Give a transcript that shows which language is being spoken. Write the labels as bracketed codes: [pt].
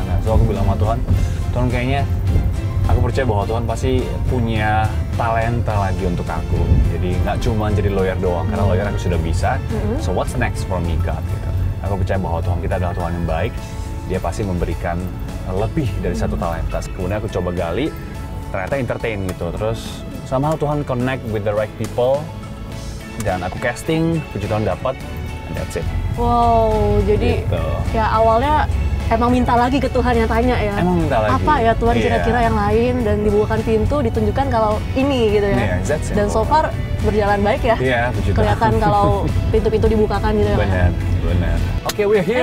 [id] Nah, so aku bilang sama Tuhan, Tuhan kayaknya aku percaya bahwa Tuhan pasti punya talenta lagi untuk aku, jadi nggak cuma jadi lawyer doang, karena lawyer aku sudah bisa. [en] So what's next for me, God? [id] Gitu. Aku percaya bahwa Tuhan kita adalah Tuhan yang baik, Dia pasti memberikan lebih dari satu talenta. Kemudian aku coba gali, ternyata entertain gitu. Terus sama Tuhan [en] connect with the right people, [id] dan aku casting, puji Tuhan dapat, [en] and that's it. [id] Wow, jadi gitu. Ya awalnya emang minta lagi ke Tuhan yang tanya ya. Emang minta lagi. Apa ya Tuhan kira-kira yang lain, dan dibukakan pintu, ditunjukkan kalau ini gitu ya. Yeah, dan so far berjalan baik ya. Iya, puji Tuhan. Kelihatan kalau pintu-pintu dibukakan gitu ya. Benar. Oke, [en] okay, we're here.